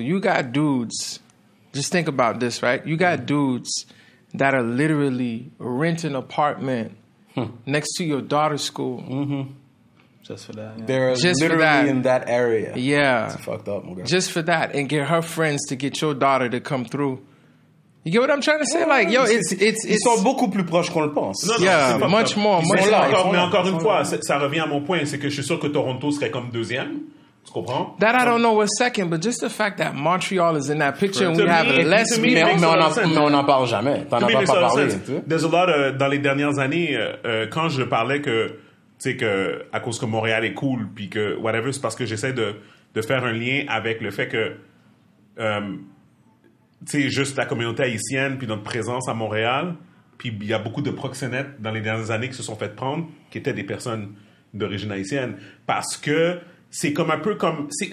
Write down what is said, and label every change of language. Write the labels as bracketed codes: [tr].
[en] You got dudes, just think about this, right? You got dudes that are literally renting an apartment next to your daughter's school. Just for that. Yeah. They're just literally in that area. Yeah. It's fucked up. Okay. Just for that. And get her friends to get your daughter to come through. You get what I'm trying to say? Like, yo, it's [fr] ils sont beaucoup plus proches qu'on le pense. Non, yeah, c'est much pas, more. Much là, encore, mais encore une fois, ça revient à mon point, c'est que je suis sûr que Toronto serait comme deuxième. Tu comprends? [en] That I don't know what's second, but just the fact that Montreal is in that picture and we have less... [fr] Mais on n'en parle jamais. T'en as pas parlé. [en] There's a lot, [fr] dans les dernières années, quand je parlais que, tu sais, que à cause que Montréal est cool, puis que whatever, c'est parce que j'essaie de faire un lien avec le fait que... tu sais, juste la communauté haïtienne, puis notre présence à Montréal, puis il y a beaucoup de proxénètes dans les dernières années qui se sont fait prendre, qui étaient des personnes d'origine haïtienne, parce que c'est comme un peu comme...